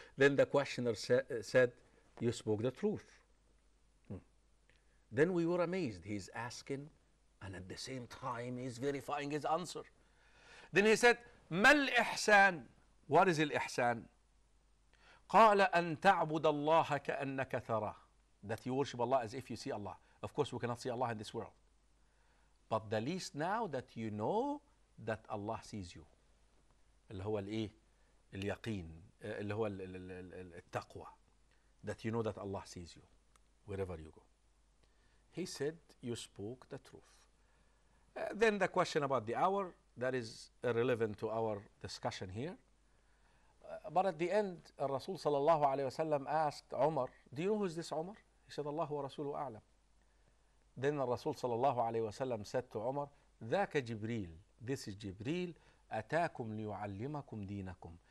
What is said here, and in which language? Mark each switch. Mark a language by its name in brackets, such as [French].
[English] Then the questioner said, you spoke the truth. Then we were amazed. He's asking, and at the same time, he's verifying his answer. Then he said, [Arabic] ما الإحسان? [English] What is الإحسان? [Arabic] قال أن تعبد الله كأنك ترى. [English] That you worship Allah as if you see Allah. Of course, we cannot see Allah in this world. But the least now that you know that Allah sees you. [Arabic] اللي هو الإيه؟ اليقين. اللي هو التقوى. [English] That you know that Allah sees you. Wherever you go. He said, you spoke the truth. Then the question about the hour, that is irrelevant to our discussion here. But at the end, Rasul sallallahu alayhi wa sallam asked Umar, do you know who is this Umar? He said, [Arabic] Allah wa Rasuluhu a'lam. [English] Then Rasul sallallahu alayhi wa sallam said to Umar, [Arabic] ذاك جبريل, [English] this is جبريل, [Arabic] أتاكم ليعلمكم دينكم.